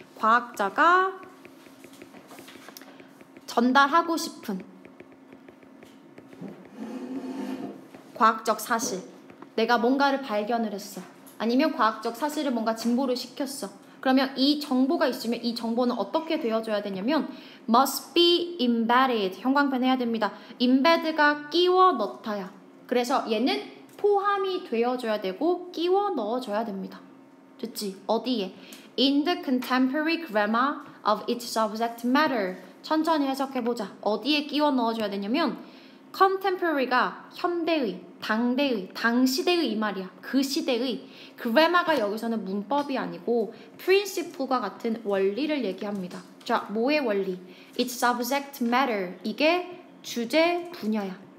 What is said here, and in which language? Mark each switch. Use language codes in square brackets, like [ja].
[ko] 과학자가 전달하고 싶은 과학적 사실. 내가 뭔가를 발견을 했어. 아니면 과학적 사실을 뭔가 진보를 시켰어. 그러면 이 정보가 있으면 이 정보는 어떻게 되어줘야 되냐면 [en] must be embedded [ko] 형광펜 해야 됩니다. embed가 끼워 넣다야. 그래서 얘는 포함이 되어줘야 되고 끼워 넣어줘야 됩니다. 됐지? 어디에? [en] In the contemporary grammar of its subject matter. [ko] 천천히 해석해보자. 어디에 끼워 넣어줘야 되냐면 contemporary가 현대의, 당대의, 당시대의 이 말이야. 그 시대의 grammar가 여기서는 문법이 아니고 principle과 같은 원리를 얘기합니다. 자, 뭐의 원리? [en] Its subject matter. [ko] 이게 주제 분야야.